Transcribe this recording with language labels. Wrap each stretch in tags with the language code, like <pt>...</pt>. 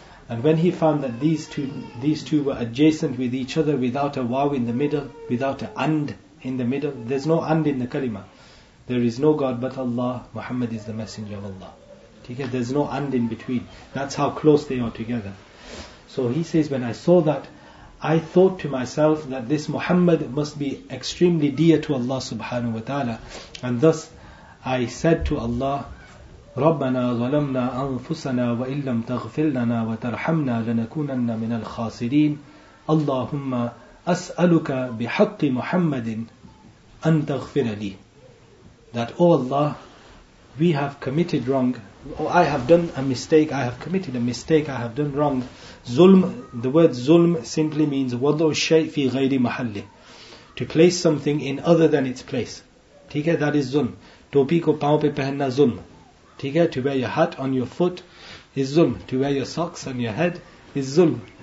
<en>And when he found that these two were adjacent with each other, without a waw in the middle, without an and in the middle, there's no and in the kalima. There is no God but Allah, Muhammad is the messenger of Allah. There's no and in between. That's how close they are together. So he says, when I saw that, I thought to myself that this Muhammad must be extremely dear to Allah subhanahu wa ta'ala. And thus, I said to Allah,</en> <ar>رَبَّنَا ظَلَمْنَا أَنفُسَنَا وَإِن لَمْ تَغْفِرْ لَنَا وَتَرْحَمْنَا لَنَكُونَنَّ مِنَ الْخَاسِرِينَ اللَّهُمَّ أَسْأَلُكَ بِحَقِّ مُحَمَّدٍ أَن تَغْفِرَ لِي</ar> <en>That, O Allah, we have committed wrong. I have done a mistake, I have committed a mistake, I have done wrong. Zulm, the word zulm simply means</en> <ar>wadu shay fi ghayri mahalli.</ar> <en>To place something in other than its place.</en> <ur>Theek hai?</ur> <en>That is zulm.</en> <ur>Topi ko paon pe pehenna zulm. Theek hai?</ur> <en>To wear your hat on your foot is zulm. To wear your socks on your head is zulm.</en>